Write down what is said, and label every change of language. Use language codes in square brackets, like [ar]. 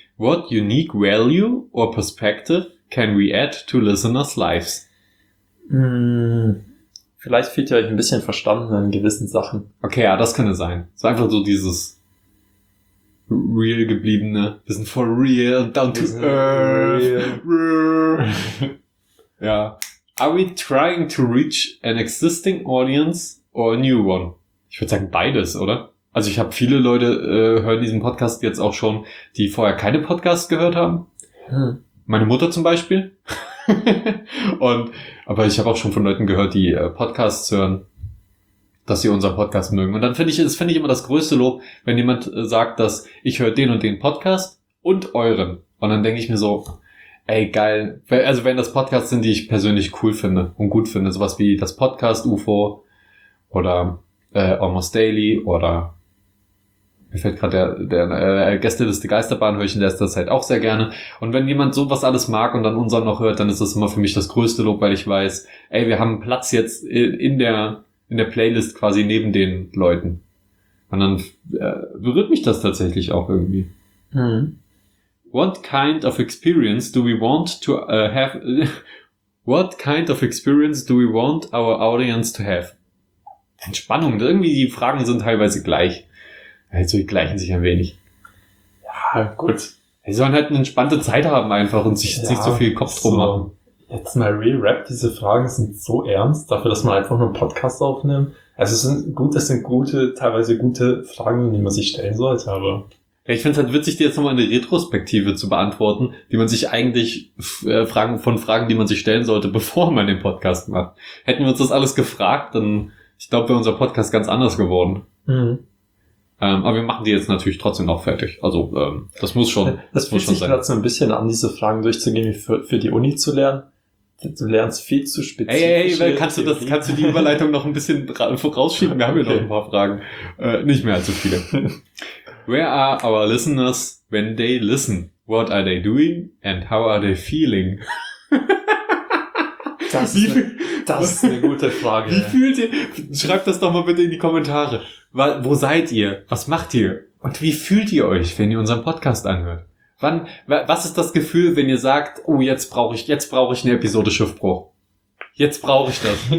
[en] What unique value or perspective can we add to listeners' lives? [de] Vielleicht fehlt ihr euch ein bisschen verstanden an gewissen Sachen. Okay, ja, das könnte sein. So einfach so dieses real gebliebene. Wir sind [en] for real, down to earth. [de] Ja. [en] Are we trying to reach an existing audience or a new one? [de] Ich würde sagen beides, oder? Also ich habe viele Leute hören diesen Podcast jetzt auch schon, die vorher keine Podcasts gehört haben. Meine Mutter zum Beispiel. Aber ich habe auch schon von Leuten gehört, die Podcasts hören, dass sie unseren Podcast mögen. Und dann finde ich immer das größte Lob, wenn jemand sagt, dass ich höre den und den Podcast und euren. Und dann denke ich mir so, ey geil, also wenn das Podcasts sind, die ich persönlich cool finde und gut finde, sowas wie das Podcast UFO oder Almost Daily oder mir fällt gerade der Gästeliste Geisterbahn, höre ich in letzter Zeit auch sehr gerne. Und wenn jemand sowas alles mag und dann unseren noch hört, dann ist das immer für mich das größte Lob, weil ich weiß, ey, wir haben Platz jetzt in der Playlist quasi neben den Leuten. Und dann berührt mich das tatsächlich auch irgendwie. Hm. [en] What kind of experience do we want our audience to have? [de] Entspannung. Irgendwie die Fragen sind teilweise gleich. Also die gleichen sich ein wenig. Ja, gut. Sie sollen halt eine entspannte Zeit haben einfach und sich nicht so viel Kopf drum machen. Jetzt mal re-rap, diese Fragen sind so ernst, dafür, dass man einfach nur einen Podcast aufnimmt. Also es sind teilweise gute Fragen, die man sich stellen sollte, aber. Ja, ich finde es halt witzig, dir jetzt nochmal eine Retrospektive zu beantworten, die man sich eigentlich Fragen, die man sich stellen sollte, bevor man den Podcast macht. Hätten wir uns das alles gefragt, dann ich glaube, wäre unser Podcast ganz anders geworden. Mhm. Aber wir machen die jetzt natürlich trotzdem noch fertig. Also das muss schon sein. Das fühlt sich gerade so ein bisschen an, diese Fragen durchzugehen, für die Uni zu lernen. Du lernst viel zu spezifisch. Hey, kannst du die Überleitung noch ein bisschen vorausschieben? Wir haben ja noch ein paar Fragen. Nicht mehr allzu viele. [en] Where are our listeners when they listen? What are they doing and how are they feeling? [de] Das ist eine gute Frage. Wie fühlt ihr? Schreibt das doch mal bitte in die Kommentare. Wo seid ihr? Was macht ihr? Und wie fühlt ihr euch, wenn ihr unseren Podcast anhört? Was ist das Gefühl, wenn ihr sagt, oh, jetzt brauche ich eine Episode Schiffbruch. Jetzt brauche ich das.